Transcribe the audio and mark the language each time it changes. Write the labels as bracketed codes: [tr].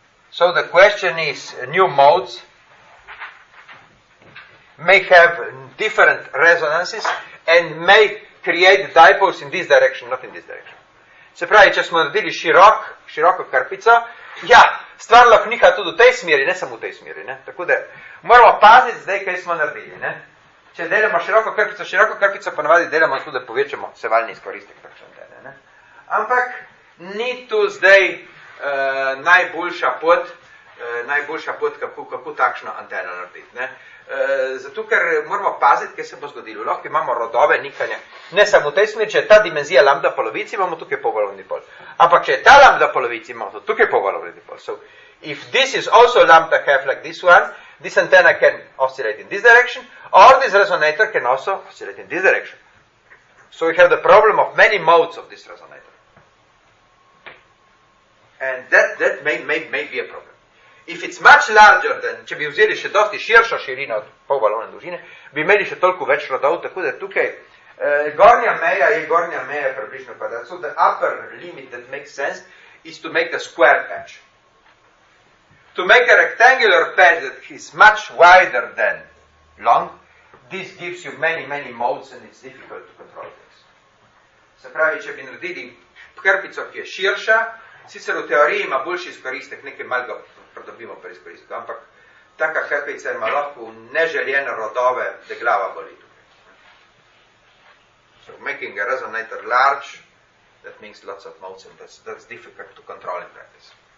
[en] So the question is, new modes may have different resonances and may create dipoles in this direction, not in this direction. [sl] Se pravi, če smo naredili široko krpico, ja, stvar lahko niha tudi v tej smeri, ne samo v tej smeri. Ne? Tako da moramo paziti zdaj, kaj smo naredili. Ne? Če delamo široko krpico ponavadi delamo tudi, da povečamo sevalni izkoristek. Ne? Ampak ni tu zdaj najboljša pot, kako takšno anteno narediti. Ne? Zato, ker moramo paziti, kaj se bo zgodilo. Lahko imamo rodove nikanje. Ne samo v tej smeri, če je ta dimenzija lambda polovici, imamo tukaj povalovni pol. Ampak če je ta lambda polovici, imamo tukaj povalovni pol. [en] So, if this is also lambda half like this one, this antenna can oscillate in this direction, or this resonator can also oscillate in this direction. So, we have the problem of many modes of this resonator. And that may be a problem. If it's much larger than, [sl] če bi vzeli še dosti širšo širino od polvalovne dolžine, bi imeli še toliko več rodov, tako da tukaj gornja meja približno pa da. [en] So the upper limit that makes sense is to make a square patch. To make a rectangular patch that is much wider than long, this gives you many modes and it's difficult to control this. [sl] Se pravi, če bi naredili krpico, ki je širša, sicer v teoriji ima boljši izkoristek, nekaj malo pridobimo pri izkoristku, ampak taka krpica ima lahko neželjene rodove, da glava boli tukaj. [en] So making a resonator large, that means lots of modes, and that's difficult to control in practice.